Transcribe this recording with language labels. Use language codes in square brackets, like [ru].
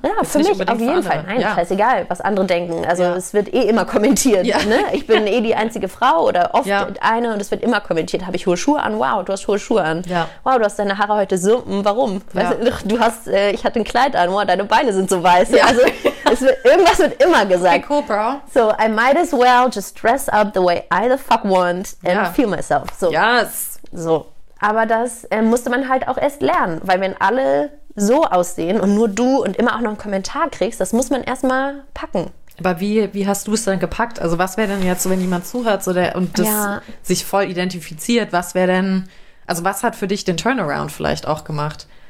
[de] Ja, jetzt für mich auf jeden Fall. Nein, ja. Scheißegal, was andere denken. Also ja. Es wird eh immer kommentiert. Ja. Ne? Ich bin eh die einzige Frau oder oft ja. eine und es wird immer kommentiert. Habe ich hohe Schuhe an? Wow, du hast hohe Schuhe an. Ja. Wow, du hast deine Haare heute so, warum? Ja. Weißt du, du hast, ich hatte ein Kleid an. Wow, deine Beine sind so weiß. Ja. Also es wird, irgendwas wird immer gesagt. [en] Okay, cool, bro. So, I might as well just dress up the way I the fuck want and ja. Feel myself. So. Yes. So. [de] Aber das musste man halt auch erst lernen, weil wenn alle so aussehen und nur du und immer auch noch einen Kommentar kriegst, das muss man erstmal packen. Aber wie hast du es dann gepackt? Also was wäre denn jetzt, wenn jemand zuhört so der, und das ja. sich voll identifiziert, was wäre denn, also was hat für dich den Turnaround vielleicht auch gemacht?